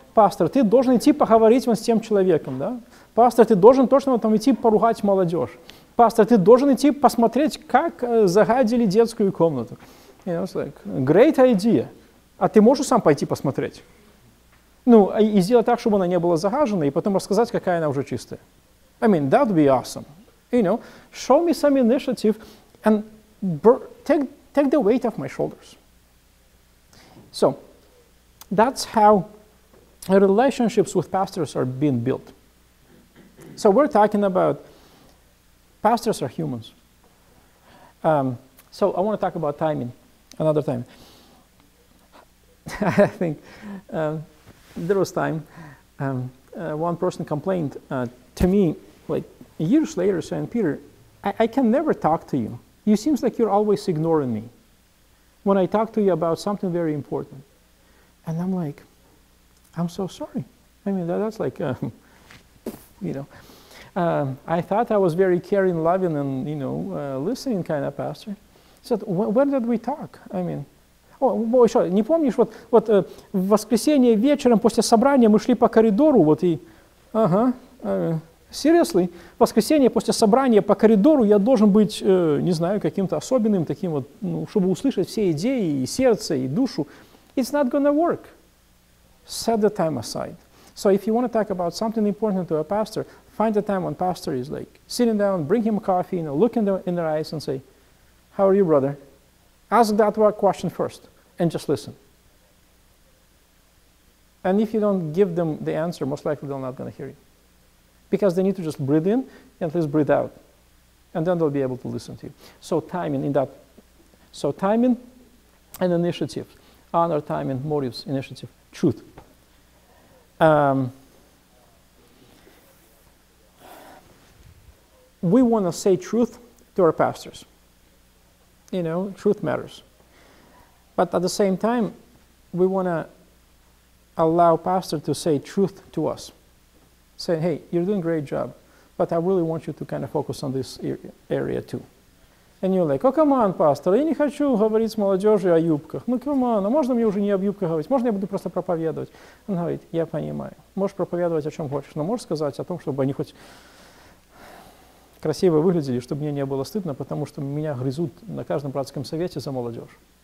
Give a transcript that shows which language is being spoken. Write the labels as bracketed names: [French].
[Russian] Пастор, ты должен идти поговорить вот с тем человеком, да? Пастор, ты должен точно вот там идти поругать молодежь. Пастор, ты должен идти посмотреть, как загадили детскую комнату. [English] You know, it's like, great idea. [Russian] А ты можешь сам пойти посмотреть? Ну, и сделать так, чтобы она не была загажена, и потом рассказать, какая она уже чистая. [English] I mean, that would be awesome. You know, show me some initiative and take the weight off my shoulders. So, that's how relationships with pastors are being built. So we're talking about pastors are humans. So I want to talk about timing another time. I think there was time. One person complained to me like years later saying, Peter, I can never talk to you. You seem like you're always ignoring me when I talk to you about something very important. And I'm like, I'm so sorry. I mean, that's like, you know. I thought I was very caring, loving, and, you know, listening kind of pastor. So when did we talk? I mean, [Russian] еще, не помнишь, вот в воскресенье вечером после собрания мы шли по коридору, вот и, ага, seriously, в воскресенье после собрания по коридору я должен быть, не знаю, каким-то особенным, таким вот, ну, чтобы услышать все идеи, и сердце, и душу. [English] It's not gonna work. Set the time aside. So if you want to talk about something important to a pastor, find the time when pastor is like sitting down, bring him coffee, you know, look in their eyes and say, how are you, brother? Ask that one question first and just listen. And if you don't give them the answer, most likely they're not going to hear you. Because they need to just breathe in and at least breathe out. And then they'll be able to listen to you. So timing in that. So timing and initiative. Honor, timing, motives, initiative, truth. We want to say truth to our pastors. You know, truth matters. But at the same time, we want to allow pastor to say truth to us. Say, hey, you're doing a great job, but I really want you to kind of focus on this area too. And you're like, oh, come on, pastor, [Russian] я не хочу говорить с молодежью о юбках. Ну, [English] come on, [Russian] а можно мне уже не об юбках говорить? Можно я буду просто проповедовать? Он говорит, я понимаю. Можешь проповедовать о чем хочешь, но можешь сказать о том, чтобы они хоть красиво выглядели, чтобы мне не было стыдно, потому что меня грызут на каждом братском совете за молодежь.